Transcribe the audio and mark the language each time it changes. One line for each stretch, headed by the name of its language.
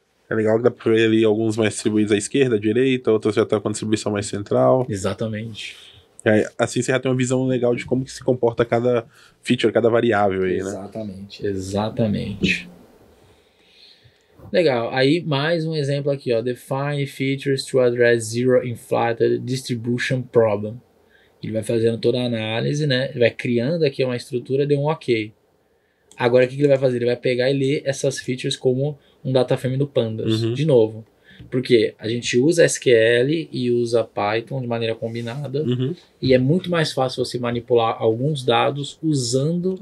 Portuguese: É legal que dá pra ver ali alguns mais distribuídos à esquerda, à direita, outros já estão com a distribuição mais central. Exatamente. Aí, assim você já tem uma visão legal de como que se comporta cada feature, cada variável aí, exatamente, né? Exatamente, exatamente. Legal, aí mais um exemplo aqui, ó.
English: Define features to address zero inflated distribution problem.
Portuguese: Ele vai fazendo toda a análise, né? Ele vai criando aqui uma estrutura, deu um ok. Agora o que ele vai fazer? Ele vai pegar e ler essas features como um data frame do pandas, uhum, de novo. Porque a gente usa SQL e usa Python de maneira combinada, uhum, e é muito mais fácil você manipular alguns dados usando